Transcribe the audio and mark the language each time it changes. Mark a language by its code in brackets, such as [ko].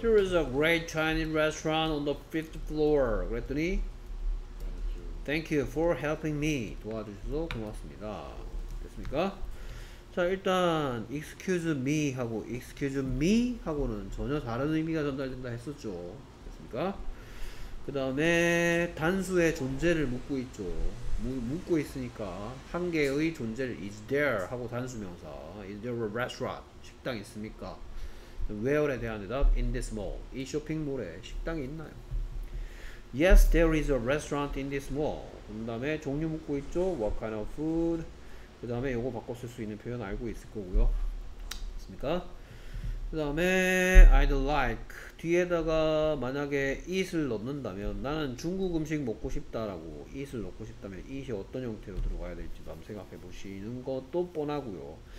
[en] There is a great Chinese restaurant on the fifth floor. 그랬더니 Thank you for helping me. [ko] 도와주셔서 고맙습니다. 됐습니까? 자, 일단 excuse me 하고 excuse me 하고는 전혀 다른 의미가 전달된다 했었죠. 됐습니까? 그 다음에 단수의 존재를 묻고 있죠. 묻고 있으니까 한 개의 존재를 is there 하고 단수 명사 [en] is there a restaurant [ko] 식당 있습니까? where에 대한 대답 [en] in this mall [ko] 이 쇼핑몰에 식당이 있나요? [en] Yes, there is a restaurant in this mall. [ko] 그 다음에 종류 묻고 있죠? [en] What kind of food? [ko] 그 다음에 이거 바꿔 쓸 수 있는 표현 알고 있을 거고요. 됐습니까? 그 다음에 I'd like 뒤에다가 만약에 eat을 넣는다면 나는 중국 음식 먹고 싶다라고 eat을 넣고 싶다면 eat이 어떤 형태로 들어가야 될지도 한번 생각해 보시는 것도 뻔하고요.